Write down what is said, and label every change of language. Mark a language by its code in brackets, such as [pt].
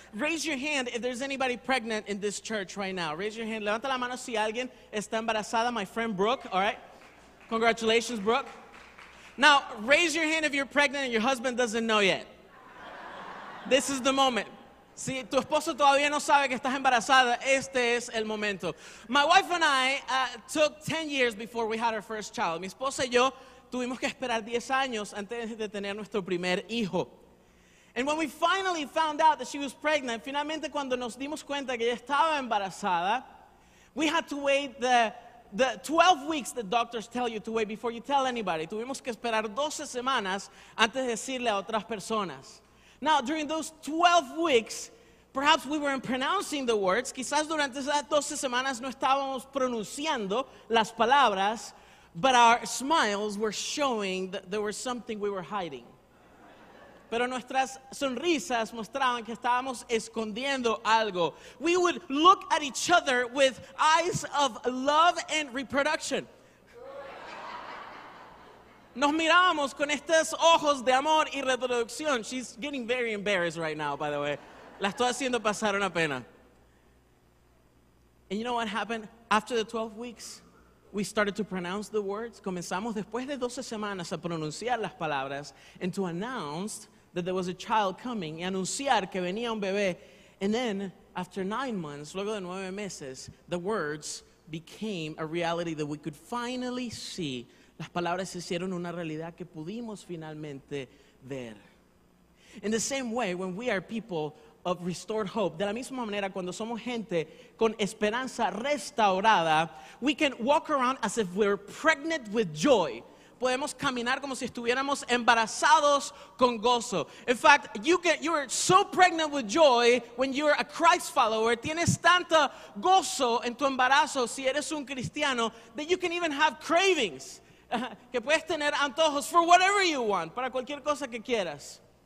[en] Raise your hand if there's anybody pregnant in this church right now. Raise your hand. [es] Levanta la mano si alguien está embarazada. [en] My friend Brooke, all right? Congratulations, Brooke. Now, raise your hand if you're pregnant and your husband doesn't know yet. This is the moment. [es] Si tu esposo todavía no sabe que estás embarazada, este es el momento. [en] My wife and I took 10 years before we had our first child. [es] Mi esposa y yo tuvimos que esperar 10 años antes de tener nuestro primer hijo. [en] And when we finally found out that she was pregnant, [es] finalmente cuando nos dimos cuenta que ella estaba embarazada, [en] we had to wait the 12 weeks that doctors tell you to wait before you tell anybody. [es] Tuvimos que esperar 12 semanas antes de decirle a otras personas. [en] Now, during those 12 weeks, perhaps we weren't pronouncing the words. [es] Quizás durante esas 12 semanas no estábamos pronunciando las palabras, [en] but our smiles were showing that there was something we were hiding. [es] Pero nuestras sonrisas mostraban que estábamos escondiendo algo. [en] We would look at each other with eyes of love and reproduction. [es] Nos mirábamos con estos ojos de amor y reproducción. [en] She's getting very embarrassed right now, by the way. [es] La estoy haciendo pasar una pena. [en] And you know what happened? After the 12 weeks, we started to pronounce the words. [es] Comenzamos después de 12 semanas a pronunciar las palabras [en] and to announce that there was a child coming, [es] y anunciar que venía un bebé. [en] And then, after 9 months, [es] luego de 9 meses, [en] the words became a reality that we could finally see. [es] Las palabras se hicieron una realidad que pudimos finalmente ver. [en] In the same way, when we are people of restored hope, [es] de la misma manera cuando somos gente con esperanza restaurada, [en] we can walk around as if we're pregnant with joy. [es] Podemos caminar como si estuviéramos embarazados con gozo. [en] In fact, you are so pregnant with joy when you are a Christ follower. [es] Tienes tanto gozo en tu embarazo si eres un cristiano [en] that you can even have cravings. [es] Que puedes tener antojos [en] for whatever you want, [es] para cualquier cosa que quieras.